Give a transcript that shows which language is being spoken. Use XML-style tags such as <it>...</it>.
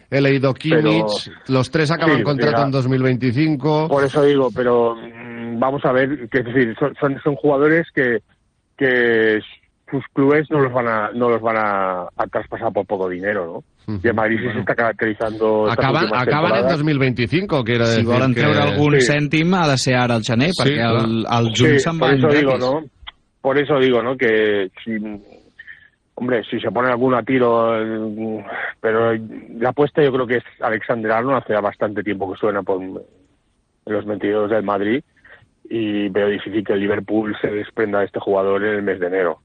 <es>he leído Kimmich. Pero, los tres acaban contrato en 2025. Por eso digo, pero vamos a ver. Que, es decir, son jugadores que sus clubes no los van a traspasar por poco dinero, ¿no? Y el Madrid se está caracterizando. Acaban en 2025, quiero decir.</es> <ca>Si volen treure algun cèntim, ha de ser ara el gener, perquè el juny se'n va.</ca> <es>Por eso digo, ¿no? Que si, hombre, si se pone algún a tiro. Pero la apuesta yo creo que es Alexander Arnold, hace bastante tiempo que suena por los mentirosos del Madrid. Y veo difícil que el Liverpool se desprenda de este jugador en el mes de enero.</es>